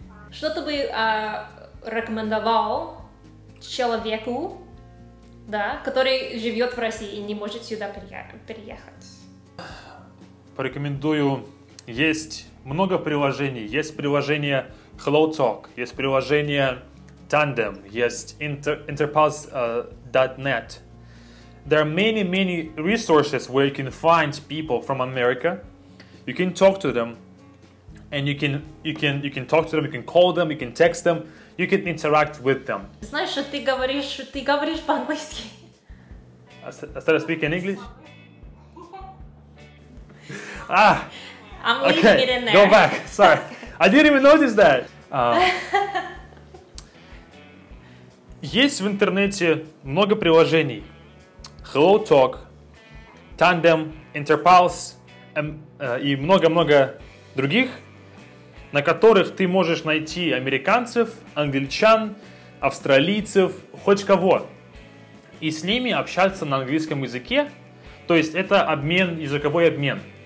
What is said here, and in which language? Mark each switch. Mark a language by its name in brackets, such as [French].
[Russian] Что ты бы рекомендовал человеку, да, который живет в России и не может сюда переехать? Порекомендую. Есть много приложений. Есть приложение HelloTalk, есть приложение Tandem, есть Interpass.net. [English] There are many, many resources where you can find people from America. You can talk to them. And you can talk to them, you can call them, you can text them, you can interact with them. [Russian] Знаешь, что ты говоришь по-английски? [English] I started speaking English. I'm leaving okay, it in there. Go back. Sorry, I didn't even notice that. [Russian] Есть в интернете много приложений: HelloTalk, Tandem, Interpulse и много-много других, на которых ты можешь найти американцев, англичан, австралийцев, хоть кого, и с ними общаться на английском языке, то есть это обмен, языковой обмен.